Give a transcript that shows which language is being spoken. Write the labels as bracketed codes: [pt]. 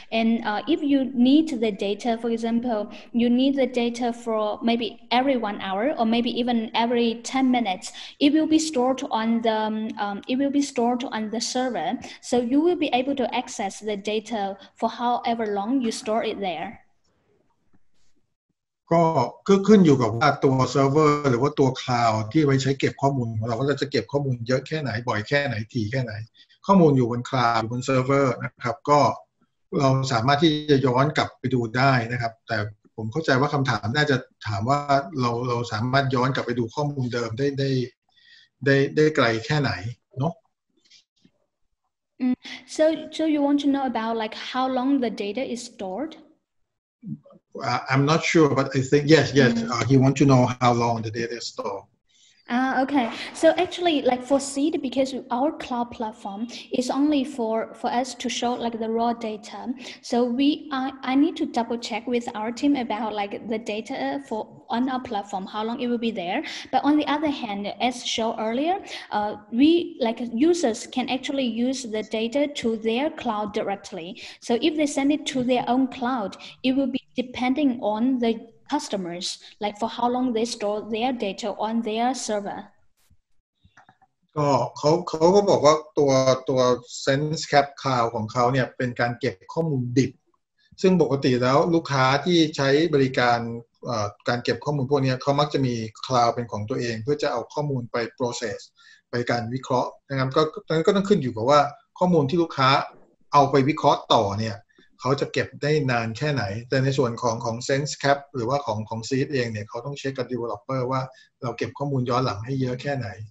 [en] And if you need the data, for example, you need the data for maybe every 1 hour or maybe even every 10 minutes, it will be stored on the server. So you will be able to access the data for however long you store it there. [th] ก็คือขึ้นอยู่กับว่าตัวเซิร์ฟเวอร์หรือว่าตัวคลาวด์ที่ไว้ใช้เก็บข้อมูลของเราก็จะเก็บข้อมูลเยอะแค่ไหนบ่อยแค่ไหนทีแค่ไหนข้อมูลอยู่บนคลาวด์บนเซิร์ฟเวอร์นะครับก็เราสามารถที่จะย้อนกลับไปดูได้นะครับแต่ผมเข้าใจว่าคำถามน่าจะถามว่าเราสามารถย้อนกลับไปดูข้อมูลเดิมได้ไกลแค่ไหนเนาะ [en] so you want to know about like how long the data is stored I'm not sure, but I think yes. He wants to know how long the data is stored. Okay. So actually, like for seed, because our cloud platform is only for us to show like the raw data. So I need to double check with our team about like the data for on our platform, how long it will be there. But on the other hand, as shown earlier, we like users can actually use the data to their cloud directly. So if they send it to their own cloud, it will be. Depending on the customers, like for how long they store their data on their server. [th] ก็เขาก็บอกว่าตัว SenseCap Cloud ของเขาเนี่ยเป็นการเก็บข้อมูลดิบซึ่งปกติแล้วลูกค้าที่ใช้บริการการเก็บข้อมูลพวกนี้เขามักจะมี Cloud เป็นของตัวเองเพื่อจะเอาข้อมูลไป process ไปการวิเคราะห์นะครับก็ต้องขึ้นอยู่กับว่าข้อมูลที่ลูกค้าเอาไปวิเคราะห์ต่อเนี่ยเขาจะเก็บได้นานแค่ไหนแต่ในส่วนของ SenseCap หรือว่าของ Seed เองเนี่ยเขาต้องเช็คกับ developer ว่าเราเก็บข้อมูลย้อนหลังให้เยอะแค่ไหน